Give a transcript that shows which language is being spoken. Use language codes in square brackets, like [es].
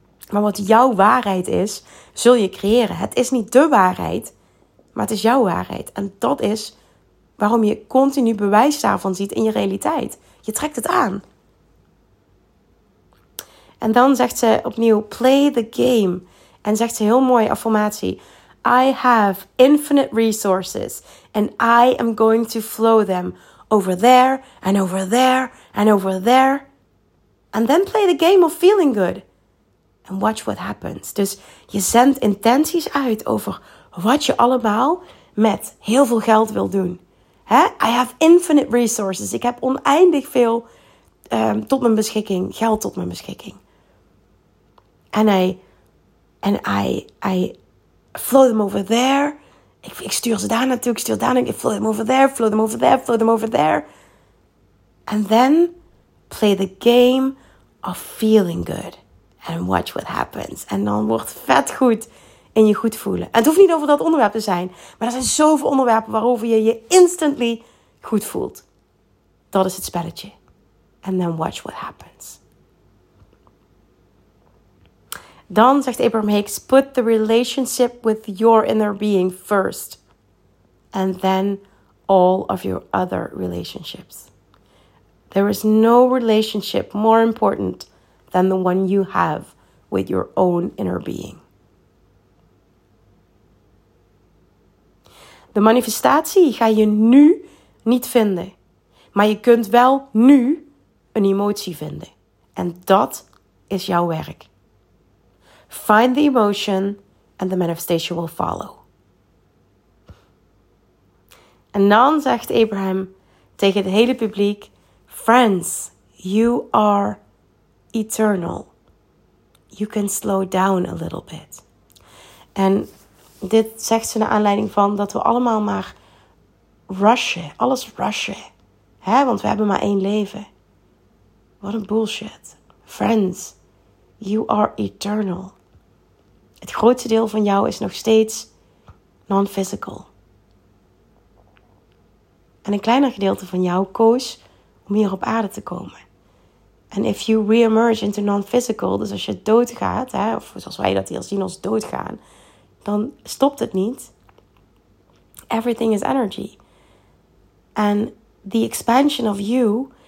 [nl] Maar wat jouw waarheid is, zul je creëren. Het is niet de waarheid, maar het is jouw waarheid. En dat is waarom je continu bewijs daarvan ziet in je realiteit. Je trekt het aan. En dan zegt ze opnieuw, [en] play the game. [nl] En zegt ze heel mooi, affirmatie. [en] I have infinite resources and I am going to flow them over there and over there and over there. And then play the game of feeling good and watch what happens. [nl] Dus je zendt intenties uit over wat je allemaal met heel veel geld wil doen. Hè? [en] I have infinite resources. [nl] Ik heb oneindig veel tot mijn beschikking, geld tot mijn beschikking. [en] En I flow them over there. [nl] Ik stuur ze daar naartoe. Ik stuur daar naartoe. Ik [en] flow them over there. Flow them over there. Flow them over there. And then play the game of feeling good. And watch what happens. [nl] En dan wordt vet goed in je goed voelen. En het hoeft niet over dat onderwerp te zijn. Maar er zijn zoveel onderwerpen waarover je je instantly goed voelt. Dat is het spelletje. [en] And then watch what happens. [nl] Dan zegt Abraham Hicks, [en] put the relationship with your inner being first. And then all of your other relationships. There is no relationship more important than the one you have with your own inner being. [nl] De manifestatie ga je nu niet vinden. Maar je kunt wel nu een emotie vinden. En dat is jouw werk. [en] Find the emotion and the manifestation will follow. [nl] En dan zegt Abraham tegen het hele publiek, [en] friends, you are eternal. You can slow down a little bit. [nl] En dit zegt ze naar aanleiding van dat we allemaal maar rushen, alles rushen. Hè? Want we hebben maar één leven. [en] What a bullshit. Friends, you are eternal. [nl] Het grootste deel van jou is nog steeds non-physical. En een kleiner gedeelte van jou koos om hier op aarde te komen. En [en] if you re-emerge into non-physical, [nl] dus als je doodgaat, hè, of zoals wij dat hier zien als doodgaan, dan stopt het niet. [en] Everything is energy. And the expansion of you